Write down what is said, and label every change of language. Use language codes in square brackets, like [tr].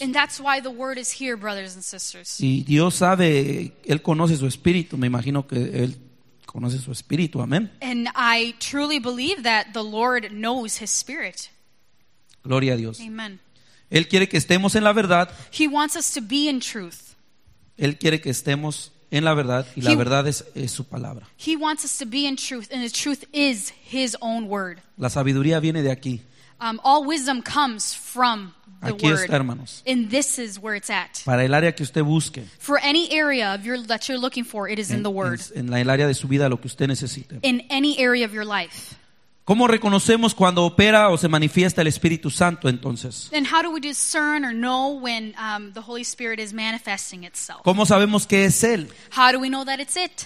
[en] And that's why the word is here, brothers and sisters. [es] Y Dios sabe, Él conoce su espíritu. Me imagino que Él conoce su espíritu. Amén. [en] And I truly believe that the Lord knows His spirit. [es] Gloria a Dios. [en] Amen. [es] Él quiere que estemos en la verdad. [en] He wants us to be in truth. [es] Él quiere que estemos en la verdad. Y la verdad es su palabra. [en] He wants us to be in truth. And the truth is His own word. [es] La sabiduría viene de aquí. [en] All wisdom comes from the [es] aquí [en] word. [es] Está, hermanos. [en] And this is where it's at. [es] Para el área que usted busque. [en] For any area of your that you're looking for, it is in the word. [es] En el área de su vida, lo que usted necesite. [en] In any area of your life. [es] ¿Cómo reconocemos cuando opera o se manifiesta el Espíritu Santo entonces? [en] And how do we discern or know when the Holy Spirit is manifesting itself? [es] ¿Cómo sabemos que es él? [en] How do we know that it's it?